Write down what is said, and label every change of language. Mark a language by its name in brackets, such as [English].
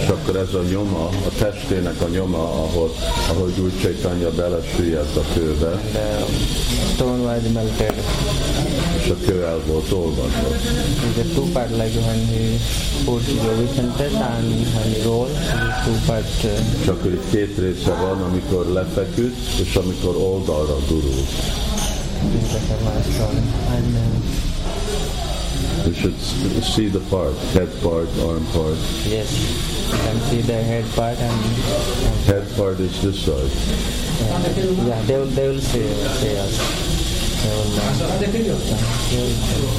[Hungarian] És akkor ez a nyoma, a testének a nyoma, ahogy úgy Chaitanya belesüllyedt a kőbe. [English] Stone was melted. [Hungarian] És a kő el volt olvasva. [English] It's a two-part, like when he put Yogi Center and when he roll, it's two-part. [Hungarian] És akkor itt két része van, amikor lefeküdt, és amikor oldalra gurult. [English] It's a famous stone. And, you should see the part, head part, arm part. Yes, you can see the head part and head part is this side. Yeah, they will say us.